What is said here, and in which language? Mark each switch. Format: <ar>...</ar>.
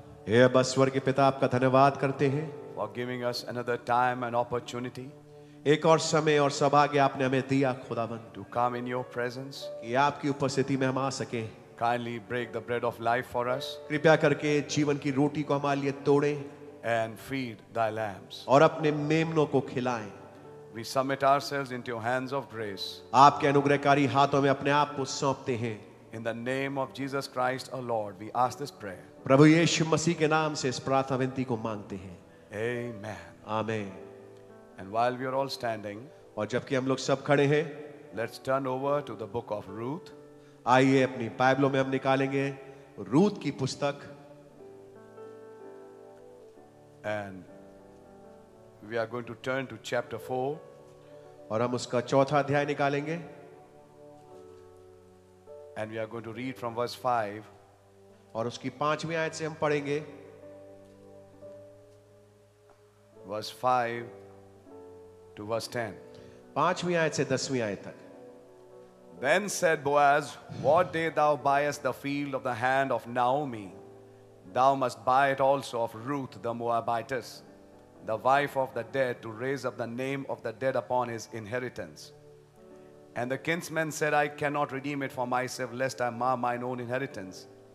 <hi>Hey, Abba, स्वर्गीय पिता आपका धन्यवाद करते हैं.</hi> <en>For giving us another time and opportunity.</en> <hi>एक और समय और सौभाग्य आपने हमें दिया, खुदावन.</hi> <en>To come in your presence.</en> <hi>कि आपकी उपस्थिति में हम आ सके.</hi> <en>Kindly break the bread of life for us.</en> <hi>कृपया करके जीवन की रोटी को हमारे लिए तोड़े.</hi> <en>And feed thy lambs.</en> <hi>और अपने मेमनों को खिलाएं.</hi> <en>We submit ourselves into your hands of grace.</en> <hi>आपके अनुग्रहकारी हाथों में अपने आप को सौंपते हैं.</hi> <en>In the name of Jesus Christ, our Lord, we ask this prayer.</en> <hi>प्रभु यीशु मसीह के नाम से इस प्रार्थना विनती को मांगते हैं.</hi> <en>Amen. Amen. And while we are all standing,</en> <hi>और जबकि हम लोग सब खड़े हैं,</hi> <en>let's turn over to the book of Ruth.</en> <hi>आइए अपनी बाइबलों में हम निकालेंगे रूथ की पुस्तक.</hi> <en>And we are going to turn to chapter 4.</en> <hi>और हम उसका चौथा अध्याय निकालेंगे.</hi> <en>And we are going to read from verse 5.</en> <hi>और उसकी पांचवी आयत से हम पढ़ेंगे.</hi> <en>Verse 5 to verse 10.</en> <hi>पांचवी आयत से दसवीं आयत तक.</hi> <en>Then said Boaz, What day thou buyest the field of the hand of Naomi, thou must buy it also of Ruth the Moabitess, the wife of the dead, to raise up the name of the dead upon his inheritance. And the kinsman said, I cannot redeem it for myself, lest I mar mine own inheritance.</en>